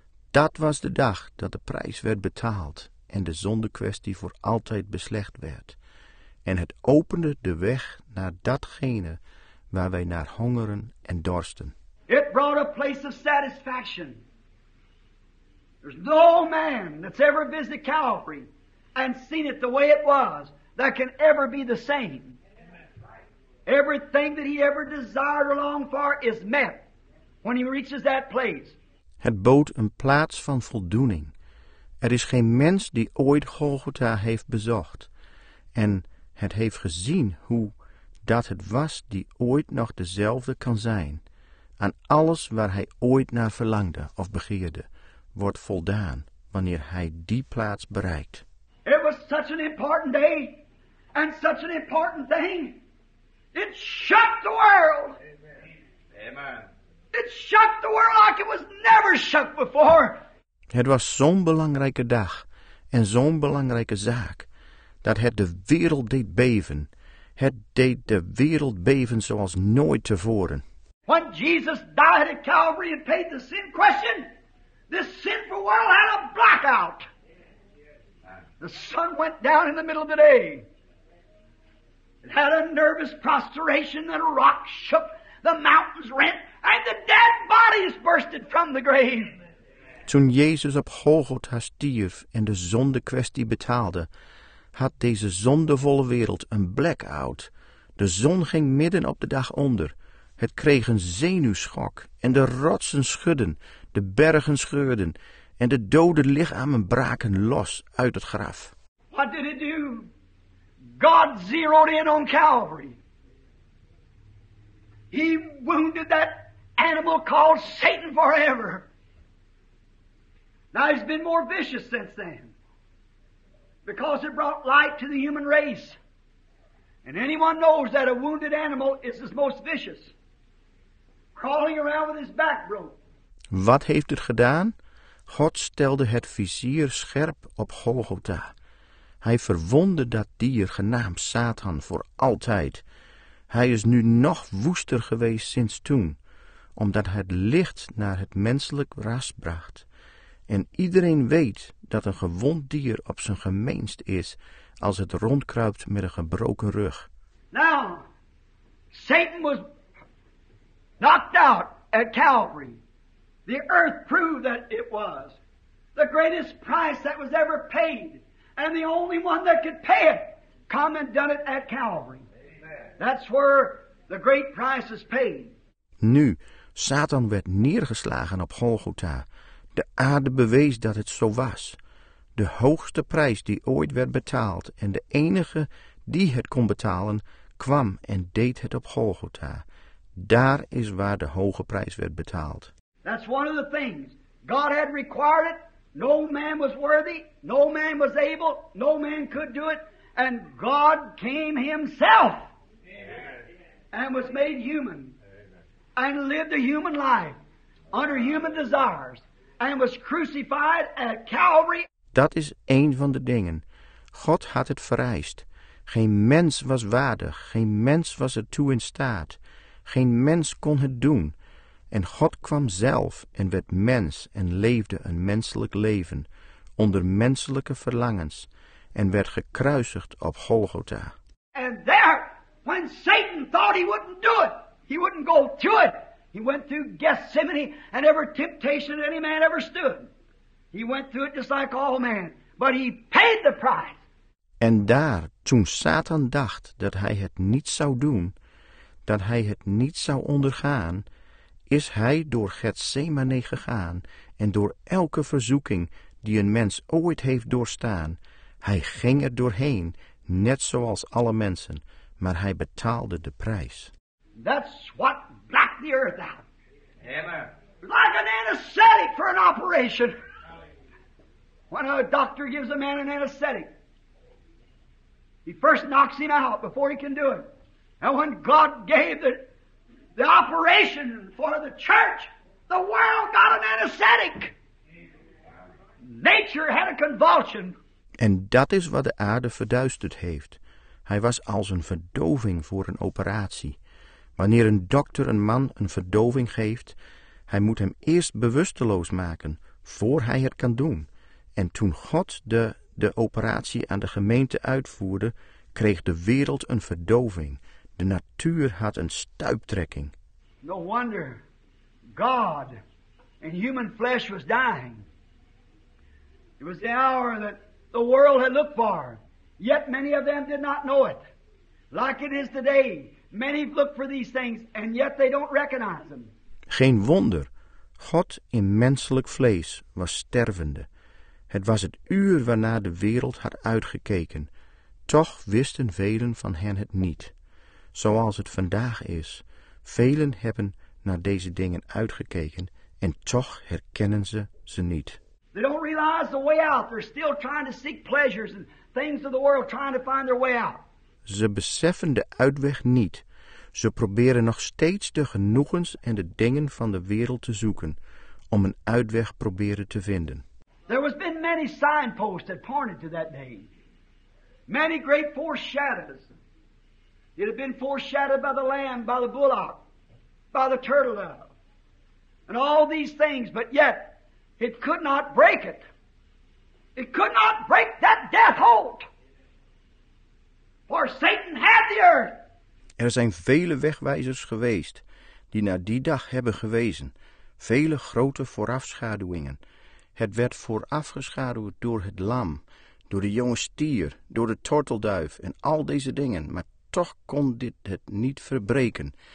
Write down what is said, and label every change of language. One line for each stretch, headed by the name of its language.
Dutch: Dat was de dag dat de prijs werd betaald en de zondekwestie voor altijd beslecht werd. En het opende de weg naar datgene waar wij naar hongeren en dorsten.
English: It brought a place of satisfaction. There's no man that's ever visited Calvary and seen it the way it was that can ever be the same. Everything that he ever desired or longed for is met when he reaches that place.
Dutch: Het bood een plaats van voldoening. Er is geen mens die ooit Golgotha heeft bezocht en het heeft gezien hoe dat het was die ooit nog dezelfde kan zijn. Aan alles waar hij ooit naar verlangde of begeerde wordt voldaan wanneer hij die plaats bereikt.
English: It was such an important day and such an important thing. It shook the world. Amen. It shook the world like it was never shook before.
Dutch: Het was zo'n belangrijke dag en zo'n belangrijke zaak dat het de wereld deed beven. Het deed de wereld beven zoals nooit tevoren.
English: When Jesus died at Calvary and paid the sin question, this sinful world had a blackout. The sun went down in the middle of the day. It had a nervous prostration and a rock shook, the mountains rent, and the dead bodies bursted from the grave.
Dutch: Toen Jezus op Golgotha stierf en de zondekwestie betaalde, had deze zondevolle wereld een blackout. De zon ging midden op de dag onder. Het kreeg een zenuwschok en de rotsen schudden, de bergen scheurden en de dode lichamen braken los uit het graf.
English: What did it do? God zeroed in on Calvary. He wounded that animal called Satan forever. Now he's been more vicious since then. Because it brought light to the human race. And anyone knows that a wounded animal is his most vicious. Crawling around with his back broke.
Dutch: Wat heeft het gedaan? God stelde het vizier scherp op Golgotha. Hij verwondde dat dier genaamd Satan voor altijd. Hij is nu nog woester geweest sinds toen, omdat het licht naar het menselijk ras bracht. En iedereen weet dat een gewond dier op zijn gemeenst is als het rondkruipt met een gebroken rug.
English: Now, Satan was knocked out at Calvary. The earth proved that it was the greatest price that was ever paid. And the only one that could pay it, come and done it at Calvary. Amen. That's where the great price is paid.
Dutch: Nu, Satan werd neergeslagen op Golgotha. De aarde bewees dat het zo was. De hoogste prijs die ooit werd betaald en de enige die het kon betalen, kwam en deed het op Golgotha. Daar is waar de hoge prijs werd betaald.
English: That's one of the things. God had required it. No man was worthy. No man was able. No man could do it. And God came himself. Amen. And was made human. Amen. And lived a human life. Under human desires. And was crucified at Calvary.
Dutch: Dat is een van de dingen. God had het vereist. Geen mens was waardig. Geen mens was ertoe in staat. Geen mens kon het doen. En God kwam zelf en werd mens en leefde een menselijk leven onder menselijke verlangens en werd gekruisigd op Golgotha.
English: And there, when Satan thought he wouldn't do it, he wouldn't go to it. He went through Gethsemane and every temptation any man ever stood. He went through it just like all men, but he paid the price.
Dutch: En daar, toen Satan dacht dat hij het niet zou doen, dat hij het niet zou ondergaan, is hij door Gethsemane gegaan en door elke verzoeking die een mens ooit heeft doorstaan. Hij ging er doorheen, net zoals alle mensen, maar hij betaalde de prijs.
English: That's what blacked the earth out. Amen. Like an anesthetic for an operation. When a doctor gives a man an anesthetic, he first knocks him out before he can do it. And when God gave the operation for the church, the world got an anesthetic. Nature had a convulsion.
Dutch: En dat is wat de aarde verduisterd heeft. Hij was als een verdoving voor een operatie. Wanneer een dokter een man een verdoving geeft, hij moet hem eerst bewusteloos maken, voor hij het kan doen. En toen God de operatie aan de gemeente uitvoerde, kreeg de wereld een verdoving. De natuur had een stuiptrekking.
English: No wonder God in human flesh was dying. It was the hour that the world had looked for. Yet many of them did not know it. Like it is today, many look for these things and yet they don't recognize them.
Dutch: Geen wonder. God in menselijk vlees was stervende. Het was het uur waarna de wereld had uitgekeken. Toch wisten velen van hen het niet. Zoals het vandaag is, velen hebben naar deze dingen uitgekeken en toch herkennen ze ze niet.
English: They don't realize the way out. They're still trying to seek pleasures and things of the world, trying to find their way out.
Dutch: Ze beseffen de uitweg niet. Ze proberen nog steeds de genoegens en de dingen van de wereld te zoeken, om een uitweg proberen te vinden.
English: There was been many signposts that pointed to that day, many great foreshadows. It had been foreshadowed by the lamb, by the bullock, by the turtle dove, and all these things, but yet it could not break it. It could not break that death hold. For Satan had the earth.
Dutch: Er zijn vele wegwijzers geweest die naar die dag hebben gewezen. Vele grote voorafschaduwingen. Het werd voorafgeschaduwd door het lam, door de jonge stier, door de tortelduif en al deze dingen, maar toch kon dit het niet verbreken.